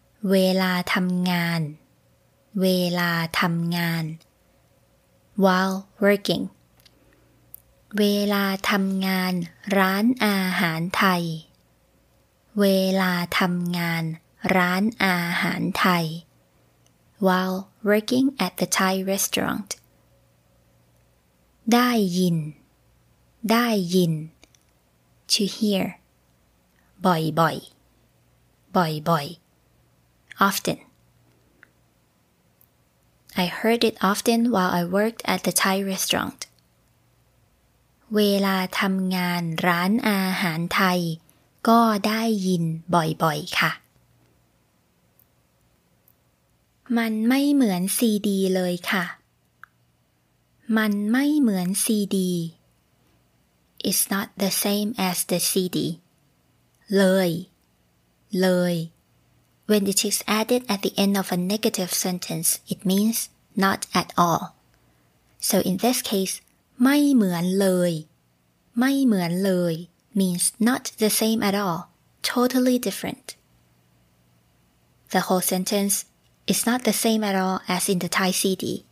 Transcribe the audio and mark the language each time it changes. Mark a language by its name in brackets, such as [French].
[Thai] เวลาทำงานเวลาทำงาน [English] while working [Thai] เวลาทำงานร้านอาหารไทยเวลาทำงานร้านอาหารไทย [English] while working at the Thai restaurant [Thai] ได้ยินได้ยิน [English] to hear [Thai] บ่อยบ่อยบ่อยบ่อย [English] often I heard it often while I worked at the Thai restaurant [Thai] เวลาทำงานร้านอาหารไทยก็ได้ยินบ่อยบ่อยค่ะมันไม่เหมือนซีดีเลยค่ะมันไม่เหมือนซีดี [English] it's not the same as the CD [Thai] เลยเลย [English] when it is added at the end of a negative sentence it means not at all so in this case [Thai] ไม่เหมือนเลยไม่เหมือนเลย [English] means not the same at all totally different the whole sentence is not the same at all as in the Thai CD